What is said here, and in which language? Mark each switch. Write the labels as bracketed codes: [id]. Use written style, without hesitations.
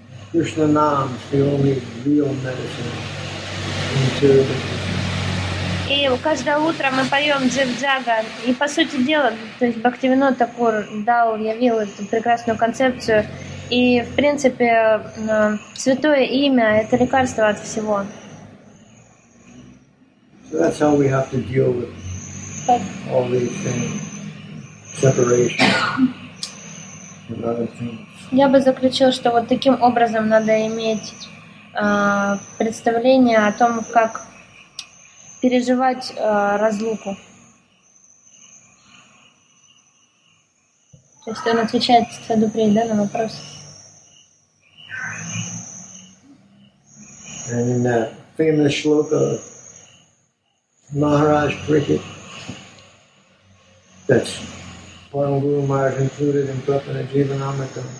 [en] Krishna nam is the only real medicine. [ru] И каждое утро мы поем джив джага. И по сути дела, то есть Бхактивинод Такур явил эту прекрасную концепцию. И в принципе святое имя — это лекарство от всего. [en] So that's how we have to deal with all these things. Separation. [ru] Я бы заключил, что вот таким образом надо иметь представление о том, как переживать разлуку. То есть он отвечает Саду Прей, да, на вопрос. [en] And in that famous shloka, Maharaj Prithi, that's Param Guru Maharaj included in Prapana Jivanamrita.